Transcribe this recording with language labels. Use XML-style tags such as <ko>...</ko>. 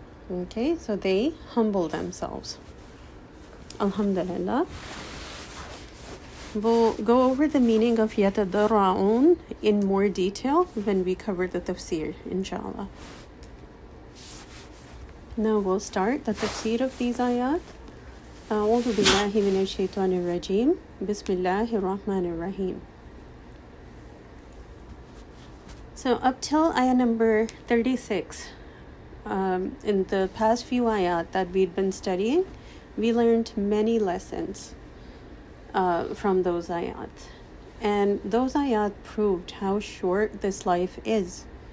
<en>Okay, so they humble themselves. Alhamdulillah. We'll go over the meaning of yatadara'un in more detail when we cover the tafsir, inshallah. Now we'll start the tafsir of these ayat.</en> <ar>أعوذ بالله من الشيطان الرجيم بسم الله الرحمن الرحيم.</ar> <en>So up till ayah number 36, in the past few ayat that we've been studying, we learned many lessons from those ayat. And those ayat proved how short this life is.</en>